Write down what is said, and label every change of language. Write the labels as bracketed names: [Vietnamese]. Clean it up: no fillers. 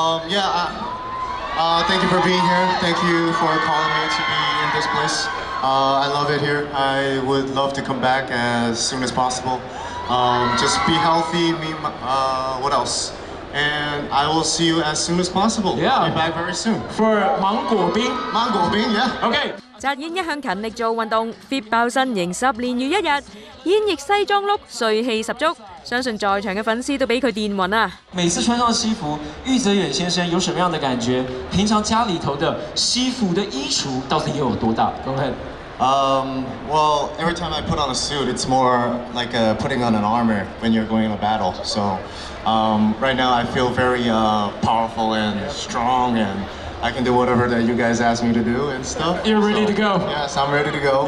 [English] Yeah. Thank you for being here. Thank you for calling me to be in this place. I love it here. I would love to come back as soon as possible. Just be healthy. What else? And I will see you as soon as possible. Yeah. I'll be back very soon. For 芒果冰? 芒果冰, yeah. Okay. [Cantonese] 翟燕一向勤力做运动 Fit 爆身形10年如一日 烟翼西装碌帅气十足 相信在场的粉丝都被他电晕了。每次穿上西服，玉泽远先生有什么样的感觉？平常家里头的西服的衣橱到底又有多大？ [English] Go ahead. Every time I put on a suit, it's more like putting on an armor when you're going in a battle. So right now I feel very powerful and strong, and I can do whatever that you guys ask me to do and stuff. You're ready to go. Yes, I'm ready to go.